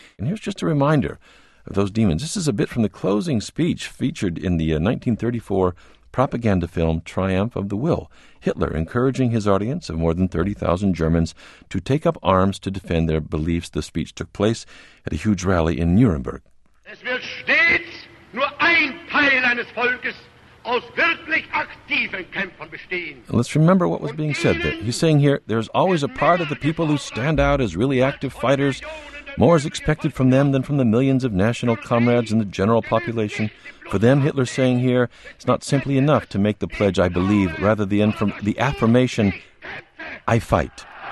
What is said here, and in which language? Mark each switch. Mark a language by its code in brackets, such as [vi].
[en] And here's just a reminder of those demons. This is a bit from the closing speech featured in the 1934 propaganda film Triumph of the Will. Hitler encouraging his audience of more than 30,000 Germans to take up arms to defend their beliefs. The speech took place at a huge rally in Nuremberg. [de] Es wird stets nur ein Teil eines Volkes aus wirklich aktiven Kämpfern bestehen. [en] And let's remember what was being said there. He's saying here, there's always a part of the people who stand out as really active fighters. More is expected from them than from the millions of national comrades in the general population. For them, Hitler's saying here, it's not simply enough to make the pledge, I believe, rather the affirmation, I fight.